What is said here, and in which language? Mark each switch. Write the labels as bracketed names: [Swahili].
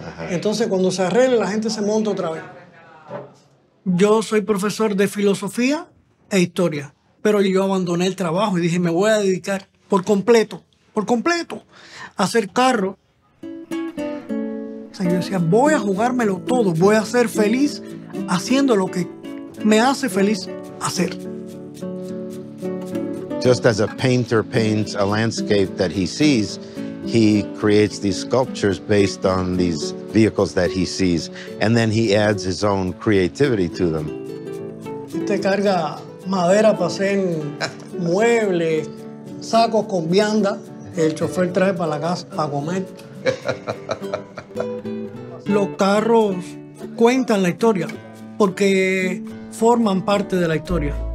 [Spanish] Entonces, cuando se arregle, la gente se monta otra vez. Yo soy profesor de filosofía e historia, pero yo abandoné el trabajo y dije, me voy a dedicar por completo, a hacer carro. O sea, yo decía, voy a jugármelo todo, voy a ser feliz haciendo lo que me hace feliz hacer. [English] Just as a painter paints a landscape that he sees, he creates these sculptures based on these vehicles that he sees, and then he adds his own creativity to them. [Spanish] Este carga madera para hacer muebles, sacos con vianda, el chofer trae para la casa para comer. Los carros cuentan la historia porque forman parte de la historia.